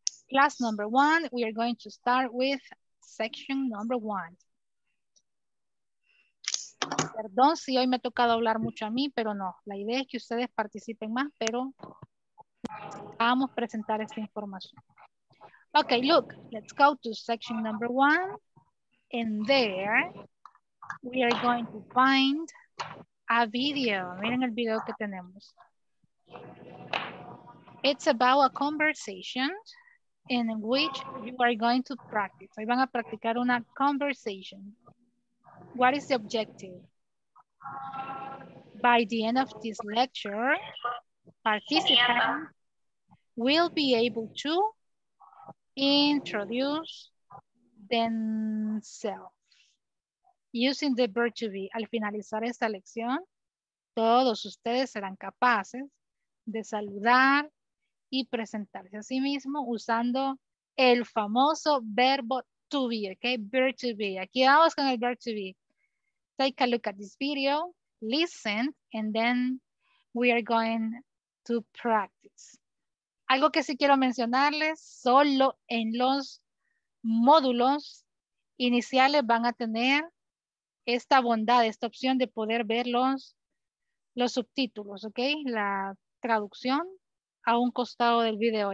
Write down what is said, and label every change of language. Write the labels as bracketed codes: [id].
[en] Class number one, we are going to start with section number one. [es] Perdón si hoy me ha tocado hablar mucho a mí, pero no. La idea es que ustedes participen más, pero vamos a presentar esta información. [en] Ok, look, let's go to section number one. And there, we are going to find a video. [es] Miren el video que tenemos. [en] It's about a conversation in which you are going to practice. [es] Hoy van a practicar una conversation. [en] What is the objective? by the end of this lecture, participants will be able to introduce themselves using the verb to be. [es] Al finalizar esta lección, todos ustedes serán capaces de saludar y presentarse a sí mismo usando el famoso verbo to be, okay? Verb to be. Aquí vamos con el verb to be. [en] Take a look at this video, listen, and then we are going to practice. [es] Algo que sí quiero mencionarles, solo en los módulos iniciales van a tener esta bondad, esta opción de poder ver los subtítulos, ¿ok? La traducción a un costado del video.